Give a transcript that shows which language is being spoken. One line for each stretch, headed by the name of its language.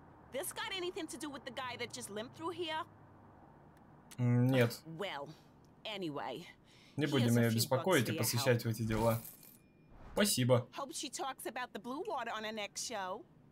English: This got anything to do with the guy that just limped through here?
Russian: Нет.
English: Well, anyway.
Russian: Не будем ее беспокоить и посвящать в эти дела. Спасибо.
English: Hope she talks about the blue water on her next show.